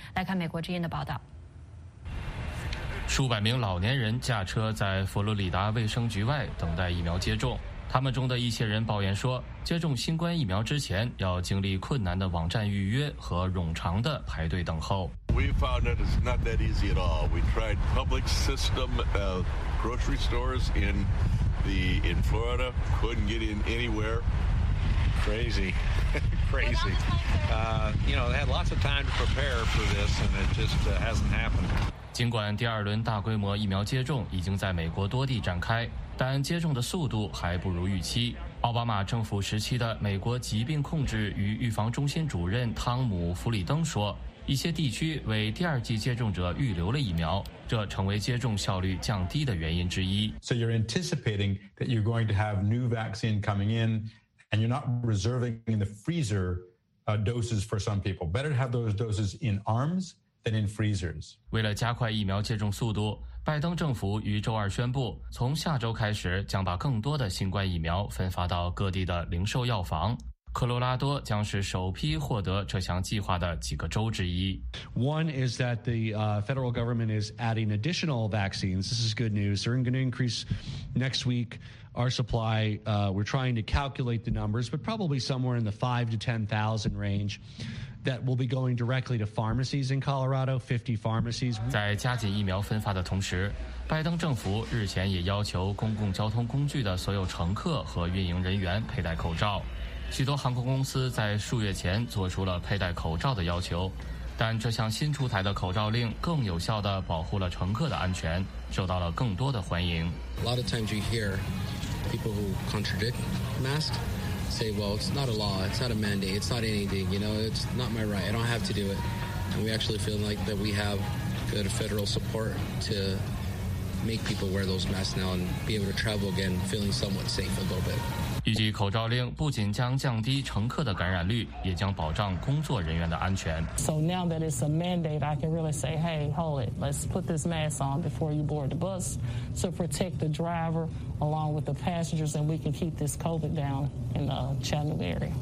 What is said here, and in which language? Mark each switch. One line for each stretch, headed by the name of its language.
Chinese: 来看美国之音的报道。数百名老年人驾车在佛罗里达卫生局外等待疫苗接种，他们中的一些人抱怨说，接种新冠疫苗之前要经历困难的网站预约和冗长的排队等候。
English: We found that it's not that easy at all. We tried public system grocery stores in Florida, couldn't get in anywhere. Crazy. They had lots of time to prepare for this, and it just hasn't happened.
Chinese: 尽管第二轮大规模疫苗接种已经在美国多地展开，但接种的速度还不如预期。奥巴马政府时期的美国疾病控制与预防中心主任汤姆·弗里登说，一些地区为第二剂接种者预留了疫苗，这成为接种效率降低的原因之一。
English: So you're anticipating that you're going to have new vaccine coming in, and you're not reserving in the freezer doses for some people. Better to have those doses in arms. Than in freezers.
Chinese: 为了加快疫苗接种速度，拜登政府于周二宣布，从下周开始将把更多的新冠疫苗分发到各地的零售药房。科罗拉多将是首批获得这项计划的几个州之一。
English: One is that the federal government is adding additional vaccines. This is good news. They're going to increase next week our supply. We're trying to calculate the numbers, but probably somewhere in the 5,000 to 10,000 range. That will be going directly to pharmacies in Colorado, 50 pharmacies.
Chinese: 在加紧疫苗分发的同时，拜登政府日前也要求公共交通工具的所有乘客和运营人员佩戴口罩。许多航空公司在数月前做出了佩戴口罩的要求，但这项新出台的口罩令更有效地保护了乘客的安全，受到了更多的欢迎。
English: A lot of times you hear people who contradict masks. Say, well, it's not a law, it's not a mandate, it's not anything, you know, it's not my right, I don't have to do it. And we actually feel like that we have good federal support to make people wear those masks now and be able to travel again, feeling somewhat safe a little bit.
Chinese: 预计口罩令不仅将降低乘客的感染率，也将保障工作人员的安全。
English: So now that it's a mandate, I can really say, hey, hold it, let's put this mask on before you board the bus to protect the driver. Along with the passengers, and we can keep this COVID down in the Chattanooga area.